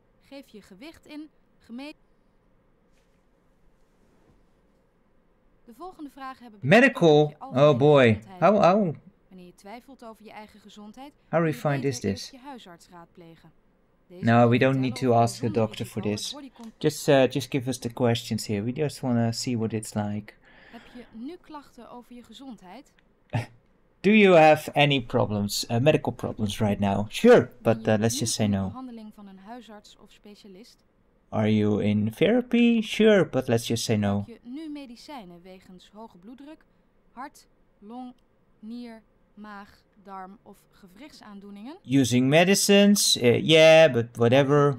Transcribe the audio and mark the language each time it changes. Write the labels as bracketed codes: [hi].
[nl] Geef je gewicht in, de volgende vraag hebben medical? [en] Oh boy, how? [nl] Wanneer je twijfelt over je eigen gezondheid, [en] how refined is this? [nl] Je huisarts raadplegen. [en] No, we don't need to ask the doctor for this. Just give us the questions here. We just want to see what it's like. [nl] Heb je nu klachten over je gezondheid? [en] Do you have any problems, medical problems right now? Sure, but let's just say no. [nl] Behandeling van een huisarts of specialist? [en] Are you in therapy? Sure, but let's just say no. [nl] Heb je nu medicijnen wegens hoge bloeddruk, hart, long, nier, maag, darm of gewrichtsaandoeningen? [en] Using medicines, yeah, but whatever.